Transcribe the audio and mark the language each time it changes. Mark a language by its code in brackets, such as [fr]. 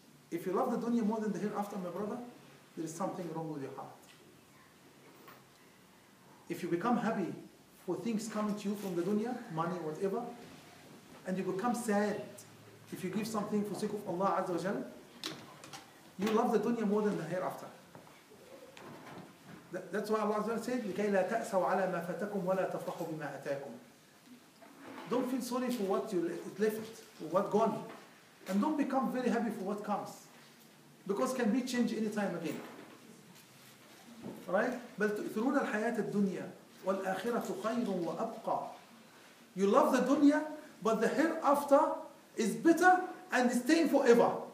[en] If you love the dunya more than the hereafter, my brother, there is something wrong with your heart. If you become happy for things coming to you from the dunya, money, whatever, and you become sad if you give something for sake of Allah Azza wa Jal, you love the dunya more than the hereafter. That's why Allah Azza wa Jal said, [ar] لِكَيْ لَا تَأْسَوْ عَلَى مَا فَتَكُمْ وَلَا تَفْرَحُ بِمَا أَتَاكُمْ. [en] Don't feel sorry for what you left, or what gone. And don't become very happy for what comes. Because can be changed any time again. [ar] Right? بَلْ تُؤْثِرُونَ الْحَيَاةَ الدُّنْيَا وَالْآخِرَةُ خَيْرٌ وَأَبْقَى. [en] You love the dunya, but the hereafter is better and staying forever.